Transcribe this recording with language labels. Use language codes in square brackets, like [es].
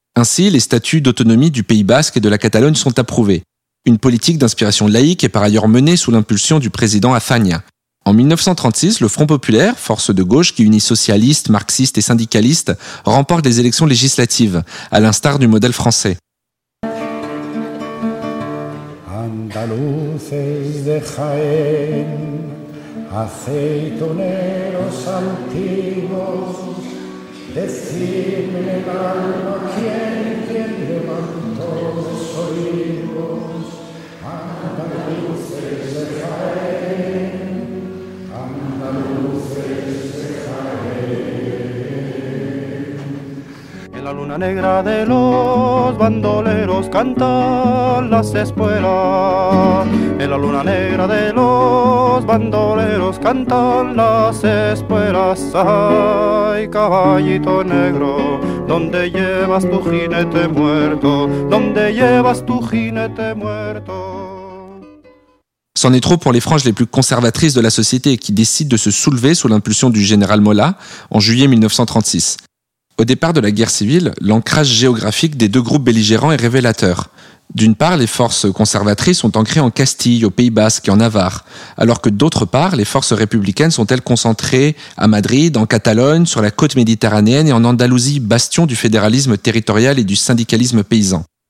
[fr] Ainsi, les statuts d'autonomie du Pays Basque et de la Catalogne sont approuvés. Une politique d'inspiration laïque est par ailleurs menée sous l'impulsion du président Azaña. En 1936, le Front Populaire, force de gauche qui unit socialistes, marxistes et syndicalistes, remporte les élections législatives, à l'instar du modèle français. [es] Andaluces de Jaén, aceitoneros antiguos, decidme el alma quien levantó los olivos. Andaluces de Jaén, andaluces de Jaén. En la luna negra de los bandoleros cantan las espuelas. En la luna negra de los bandoleros cantan las espuelas. Ay, caballito negro, ¿dónde llevas tu jinete muerto? ¿Dónde llevas tu jinete muerto? [fr] C'en est trop pour les franges les plus conservatrices de la société qui décident de se soulever sous l'impulsion du général Mola en juillet 1936. Au départ de la guerre civile, l'ancrage géographique des deux groupes belligérants est révélateur. D'une part, les forces conservatrices sont ancrées en Castille, au Pays Basque et en Navarre, alors que d'autre part, les forces républicaines sont elles concentrées à Madrid, en Catalogne, sur la côte méditerranéenne et en Andalousie, bastion du fédéralisme territorial et du syndicalisme paysan.